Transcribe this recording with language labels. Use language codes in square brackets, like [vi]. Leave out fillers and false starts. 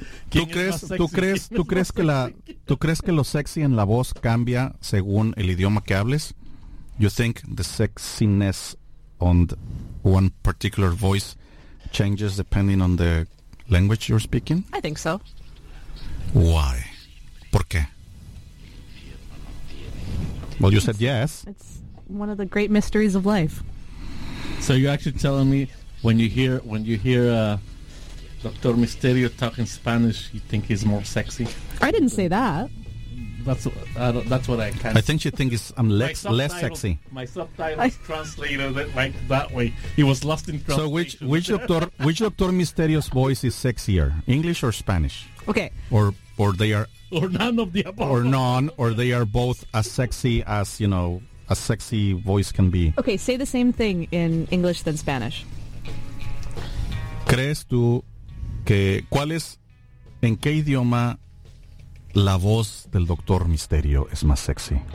[es] ¿Tú crees que lo sexy en la voz cambia según el idioma que hables? [en] You think the sexiness on one particular voice changes depending on the language you're speaking? I think so. Why? [es] ¿Por qué? [en] Well, you said yes. It's one of the great mysteries of life. So you're actually telling me when you hear Dr. Misterio talking Spanish, you think he's more sexy? I didn't say that. That's what I can't. I think you think I'm less sexy. My subtitles translated it like that way. He was lost in translation. So which Dr. Misterio's voice is sexier, English or Spanish? Okay. Or they are both as sexy as, you know, a sexy voice can be. Okay, say the same thing in English than Spanish. [es] ¿Crees tú que cuál es, en qué idioma la voz del Doctor Misterio es más sexy?